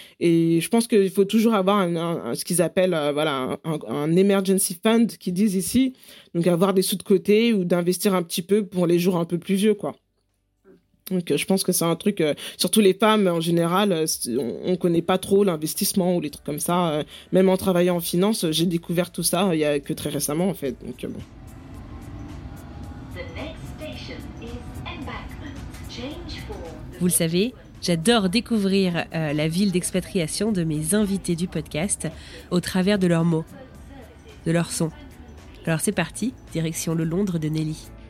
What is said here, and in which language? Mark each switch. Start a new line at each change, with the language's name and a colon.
French: Et je pense qu'il faut toujours avoir ce qu'ils appellent un emergency fund, qu'ils disent ici. Donc, avoir des sous de côté ou d'investir un petit peu pour les jours un peu plus vieux, quoi. Donc, je pense que c'est un truc, surtout les femmes en général, on ne connaît pas trop l'investissement ou les trucs comme ça. Même en travaillant en finance, j'ai découvert tout ça il n'y a que très récemment, en fait. Donc, bon.
English: The next station is embankment. Change for...
French: Vous le savez, j'adore découvrir la ville d'expatriation de mes invités du podcast au travers de leurs mots, de leurs sons. Alors, c'est parti, direction le Londres de Nelly.